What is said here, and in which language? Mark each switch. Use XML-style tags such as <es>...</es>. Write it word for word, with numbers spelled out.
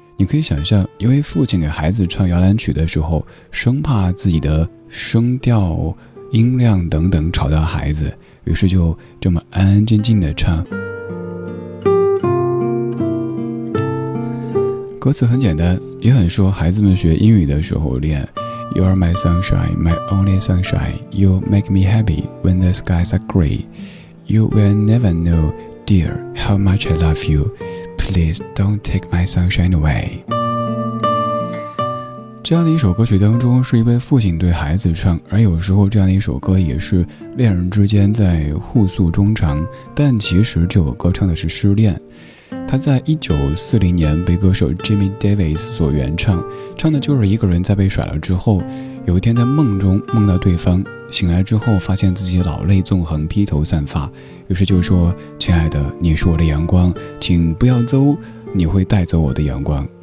<zh>你可以想象，一位父亲给孩子唱摇篮曲的时候，生怕自己的声调、音量等等吵到孩子，于是就这么安安静静的唱。歌词很简单，也很说孩子们学英语的时候练</zh> <en>You are my sunshine, my only sunshine. You make me happy when the skies are gray. You will never know, dear, how much I love you. Please don't take my sunshine away.</en> <zh>这样的一首歌曲当中，是一位父亲对孩子唱，而有时候这样的一首歌也是恋人之间在互诉衷肠，但其实这首歌唱的是失恋。他在一九四零年被歌手 Jimmy Davis 所原唱，唱的就是一个人在被甩了之后，有一天在梦中梦到对方，醒来之后发现自己老泪纵横，披头散发，于是就说：亲爱的，你是我的阳光，请不要走，你会带走我的阳光。</zh>